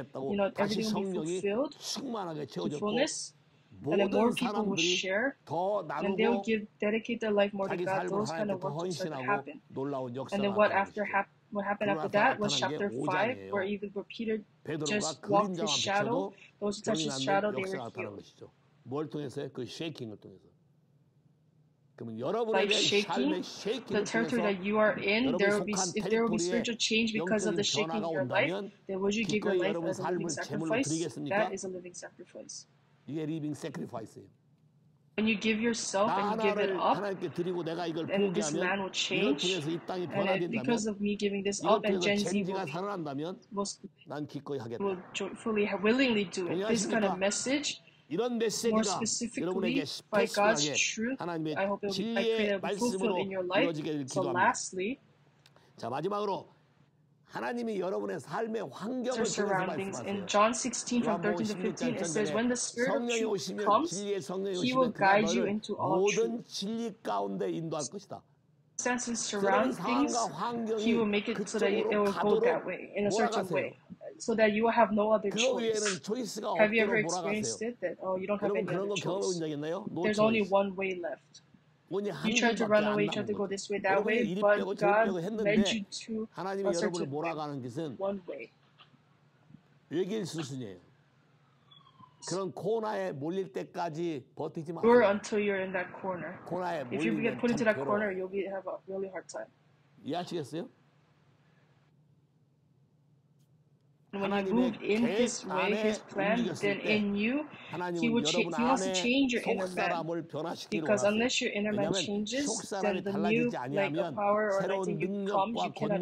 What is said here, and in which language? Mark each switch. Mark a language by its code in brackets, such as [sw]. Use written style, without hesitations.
[en] You know, everything will be fulfilled in fullness. And then more people will share. And they'll give, dedicate their life more to God. Those kind of works will start to happen. And then what happened after that was chapter 5, where even where Peter just walked his shadow, those who touched his shadow, they were healed. [ko] 뭘 통해서 그 쉐이킹을 통해서 그러면 여러분의 삶의 쉐이킹 [en] the territory that you are in there will be if there will be spiritual change because of the shaking in your life then would you give your life as a living sacrifice that is a living sacrifice [ko] 이게 living sacrifice예요 [en] when you give yourself and you give it up [ko] 하나님께 드리고 내가 이걸 포기하면 이걸 통해서 이 땅이 변화된다면 [en] because of me giving this up and Gen Z [ko] will 살아난다면 난 기꺼이 하겠다 [en] will joyfully willingly do it this kind of message [ko] 이런 메시지가 여러분에게 스페셜하게 하나님의 진리의 말씀으로 이루어지게 될 기도합니다. [en] So lastly, [ko] 자 마지막으로 하나님이 여러분의 삶의 환경을 통해서 말씀하세요. [en] In John 16 from 13 to 15 it says when the Spirit of truth comes [ko] 진리의 성령이 오시면 [en] He will guide you into all truth. [ko] 진리 가운데 인도할 것이다. [en] Sense and surround things He will make it so that it will go that way in a certain way. So that you will have no other choice. Have you ever experienced it? That, oh, you don't have any other choice. There's only one way left. You tried to run away, you tried to go this way, that way, but God led you to a certain way. One way. [ko] 외길 수순이에요. 그런 코너에 몰릴 때까지 버티지 마. [en] Or until you're in that corner. [ko] 코너에 몰리면 [en] If you get put into that corner, you'll have a really hard time. [ko] 이해하시겠어요? [en] When you move in this way, his plan, then in you, he wants to change your inner man. Because unless your inner man changes, then the new like, the power or anything you come, you cannot